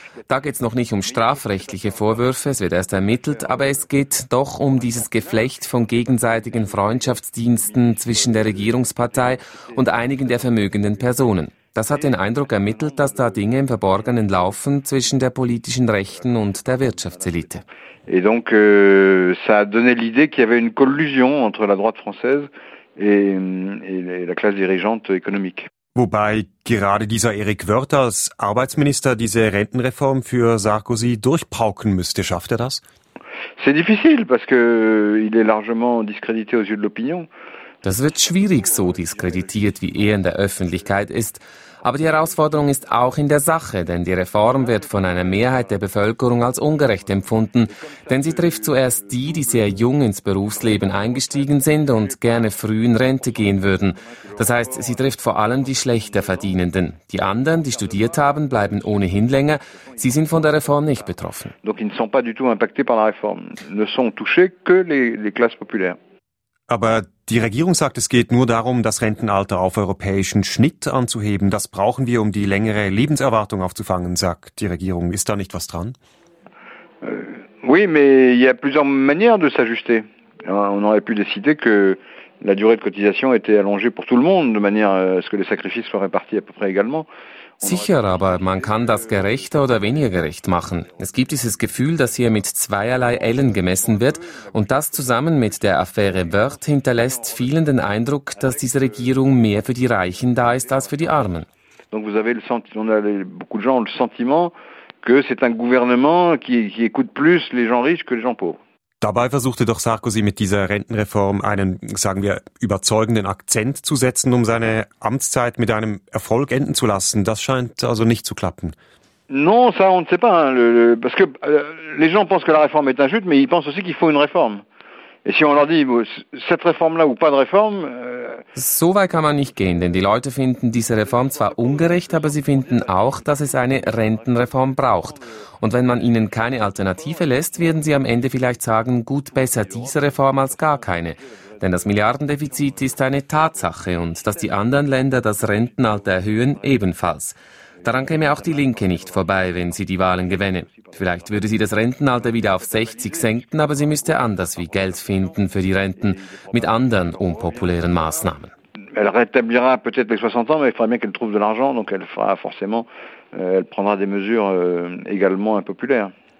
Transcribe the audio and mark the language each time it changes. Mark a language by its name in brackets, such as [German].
[German] Da geht es noch nicht um strafrechtliche Vorwürfe, es wird erst ermittelt, aber es geht doch um dieses Geflecht von gegenseitigen Freundschaftsdiensten zwischen der Regierungspartei und einigen der vermögenden Personen. Das hat den Eindruck ermittelt, dass da Dinge im Verborgenen laufen zwischen der politischen Rechten und der Wirtschaftselite. [French] Et donc ça a donné l'idée qu'il y avait une collusion entre la droite française et la classe dirigeante économique. [German] Wobei gerade dieser Erik Wirth als Arbeitsminister diese Rentenreform für Sarkozy durchpauken müsste, schafft er das? [French] C'est difficile parce que il est largement discrédité aux yeux de l'opinion. [German] Das wird schwierig, so diskreditiert, wie er in der Öffentlichkeit ist. Aber die Herausforderung ist auch in der Sache, denn die Reform wird von einer Mehrheit der Bevölkerung als ungerecht empfunden. Denn sie trifft zuerst die, die sehr jung ins Berufsleben eingestiegen sind und gerne früh in Rente gehen würden. Das heißt, sie trifft vor allem die schlechter Verdienenden. Die anderen, die studiert haben, bleiben ohnehin länger. Sie sind von der Reform nicht betroffen. [French] Donc ils ne sont pas du tout impactés par la réforme. Ne sont touchés que les classes populaires. [German] Aber die Regierung sagt, es geht nur darum, das Rentenalter auf europäischen Schnitt anzuheben. Das brauchen wir, um die längere Lebenserwartung aufzufangen, sagt die Regierung. Ist da nicht was dran? [French] Oui, mais il y a plusieurs manières de s'ajuster. On aurait pu décider que la durée de cotisation était allongée pour tout le monde, de manière à ce que les sacrifices soient répartis à peu près également. [German] Sicher, aber man kann das gerechter oder weniger gerecht machen. Es gibt dieses Gefühl, dass hier mit zweierlei Ellen gemessen wird. Und das zusammen mit der Affäre Wörth hinterlässt vielen den Eindruck, dass diese Regierung mehr für die Reichen da ist als für die Armen. [French] Donc vous avez le sentiment, beaucoup de gens ont le sentiment que c'est un gouvernement qui écoute plus les gens riches que les gens pauvres. [German] Dabei versuchte doch Sarkozy mit dieser Rentenreform einen, sagen wir, überzeugenden Akzent zu setzen, um seine Amtszeit mit einem Erfolg enden zu lassen. Das scheint also nicht zu klappen. [French] Non, ça on ne sait pas, parce que les gens pensent que la réforme est injuste, mais ils pensent aussi qu'il faut une réforme. Et si on leur dit cette réforme-là ou pas de réforme. [German] So weit kann man nicht gehen, denn die Leute finden diese Reform zwar ungerecht, aber sie finden auch, dass es eine Rentenreform braucht. Und wenn man ihnen keine Alternative lässt, werden sie am Ende vielleicht sagen, gut, besser diese Reform als gar keine. Denn das Milliardendefizit ist eine Tatsache und dass die anderen Länder das Rentenalter erhöhen, ebenfalls. Daran käme auch die Linke nicht vorbei, wenn sie die Wahlen gewinne. Vielleicht würde sie das Rentenalter wieder auf 60 senken, aber sie müsste anders wie Geld finden für die Renten, mit anderen unpopulären Maßnahmen. [French] Elle rétablira peut-être les 60 ans, mais il faudra bien qu'elle trouve de l'argent, donc elle fera forcément, elle prendra des mesures également impopulaires.